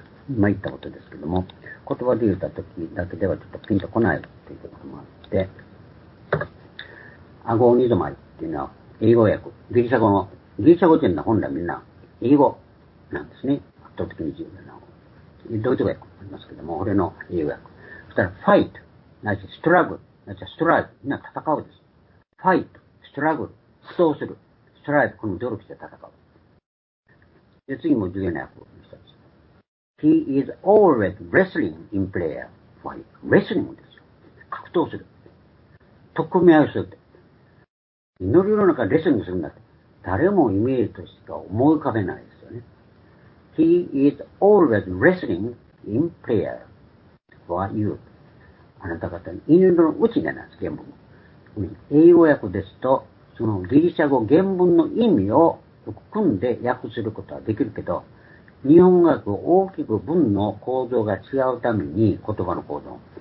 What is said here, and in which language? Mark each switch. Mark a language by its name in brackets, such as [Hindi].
[Japanese] まあ言ったことですけども、言葉で言った時だけではちょっとピンとこないっていうこともあって、アゴニゾマイっていうのは英語訳、ギリシャ語の、ギリシャ語っていうのは本来みんな英語なんですね。圧倒的に重要なの。ドイツ語訳もありますけども、俺の英語訳。そしたら、ファイト、なし、ストラグル。じゃあ、ストライブ。みんな戦うです。ファイト、ストラグル、苦闘する。ストライブ、この努力で戦う。で、次も重要な役を見せます。 [English] He is always wrestling in prayer for him. [Japanese] Wrestling ですよ。格闘する。取っ組み合いをするって。祈りの中でレスリングするんだって。誰もイメージとしか思い浮かべないですよね。 [English] He is always wrestling in prayer for you. [Japanese] あなた方に、祈りのうちでなんです、原文。英語訳ですと、そのギリシャ語原文の意味を組んで訳することはできるけど、日本語訳を大きく文の構造が違うために、言葉の構造。